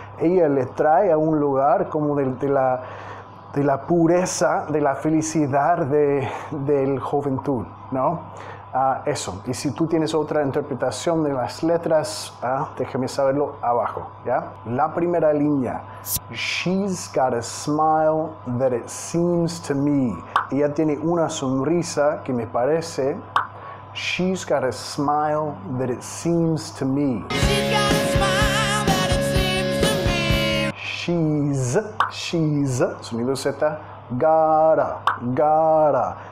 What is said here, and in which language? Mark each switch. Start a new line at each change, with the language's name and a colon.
Spanish: Ella le trae a un lugar como de la pureza, de la felicidad del juventud, ¿no? Eso. Y si tú tienes otra interpretación de las letras, déjame saberlo abajo, ¿ya? La primera línea.
English: She's got a smile that it seems to me.
Spanish: Ella tiene una sonrisa que me parece.
English: She's got a smile that it seems to me. She's got a smile that it seems to me. She's,
Spanish: sonido Z.
English: Gotta.